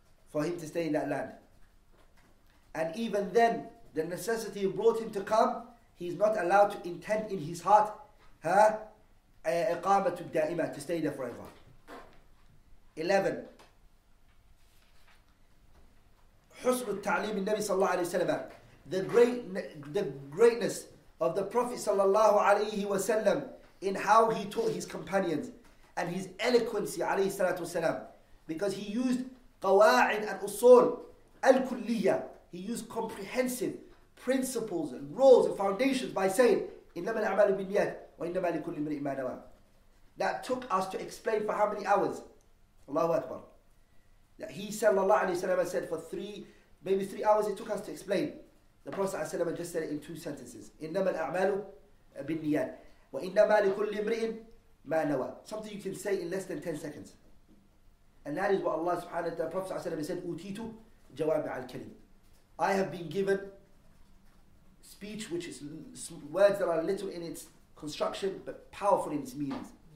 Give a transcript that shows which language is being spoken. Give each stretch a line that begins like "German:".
English: For him to stay in that land. And even then, the necessity brought him to come, he's not allowed to intend in his heart,
Arabic: iqamatu da'ima,
English: to stay there forever. 11. Husnul ta'lim in Nabi sallallahu alayhi wa sallam. The greatness of the Prophet sallallahu alayhi wa sallam in how he taught his companions and his eloquency alayhi salatu wa sallam. Because he used
Arabic: قواعد الأصول الكلية.
English: He used comprehensive principles and rules and foundations by saying
Arabic: إنما الأعمال بالنيات وإنما لكل امرئ ما نوى.
English: That took us to explain for how many hours? Allahu Akbar. That he sallallahu alayhi wa sallam said for maybe three hours it took us to explain. The Prophet ﷺ just said it in two sentences.
Arabic: إنما الأعمال بالنيات وإنما لكل امرئ ما نوى.
English: Something you can say in less than 10 seconds. And that is what Allah subhanahu wa ta'ala, Prophet sallallahu alayhi wa sallam said,
Arabic: Utitu jawab al-kalim.
English: I have been given speech which is words that are little in its construction but powerful in its meanings.